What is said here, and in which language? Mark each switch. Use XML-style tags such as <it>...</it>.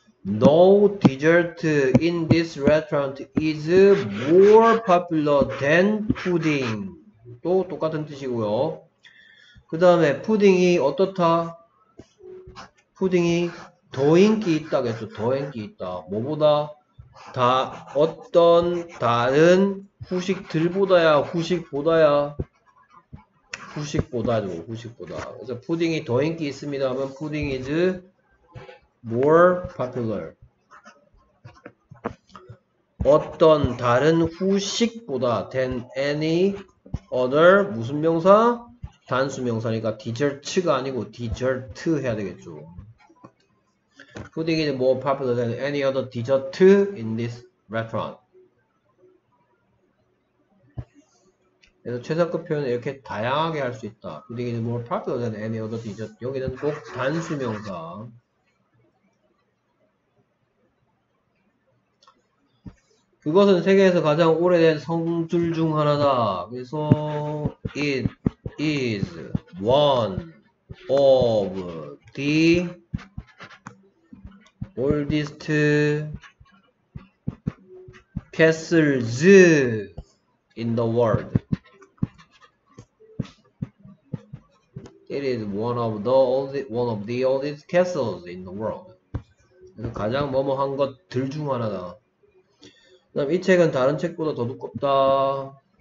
<en>no dessert in this restaurant is more popular than pudding</en> <ko>또 똑같은 뜻이고요. 그 다음에 푸딩이 어떻다? 푸딩이 더 인기 있다 그랬죠. 더 인기 있다. 뭐보다 다 어떤 다른 후식들보다야 후식보다야 후식보다죠. 후식보다. 그래서 푸딩이 더 인기 있습니다 하면 푸딩</ko> <en>is more popular.</en> <ko>어떤 다른 후식보다</ko> <en>than any other</en> <ko>무슨 명사? 단수명사니까 디저트가 아니고 디저트 해야 되겠죠.</ko> <en>푸딩이 more popular than any other dessert in this restaurant.</en> <ko>그래서 최상급 표현은 이렇게 다양하게 할 수 있다.</ko> <en>푸딩이 more popular than any other dessert.</en> <ko>여기는 꼭 단수명사. 그것은 세계에서 가장 오래된 성줄 중 하나다.</ko> <en>그래서 it is one of the oldest castles in the world. It is one of the oldest castles in the world.</en> <ko>그래서 가장 뭐뭐한 것들 중 하나다. 그 다음 이 책은 다른 책보다 더 두껍다.</ko>